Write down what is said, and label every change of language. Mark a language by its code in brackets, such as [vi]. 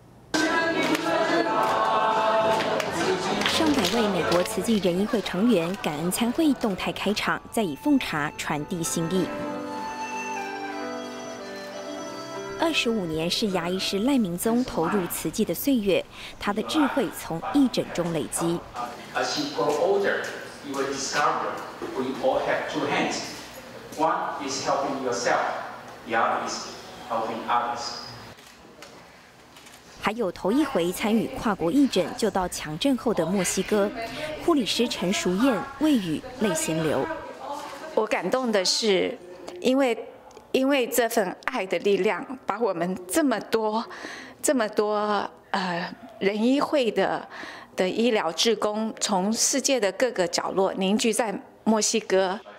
[zh] 上百位美国慈济仁医会成员感恩餐会动态开场，再以奉茶传递心意。 25年是牙医师赖明宗投入慈济的岁月，他的智慧从义诊中累积。 [en] As you grow older, you will discover we all have two hands. One is helping yourself, the other is helping others. [zh] 还有头一回参与跨国义诊，就到强震后的墨西哥，护理师陈淑燕未语泪先流。我感动的是，因为这份爱的力量，把我们这么多仁医会的医疗志工，从世界的各个角落凝聚在墨西哥。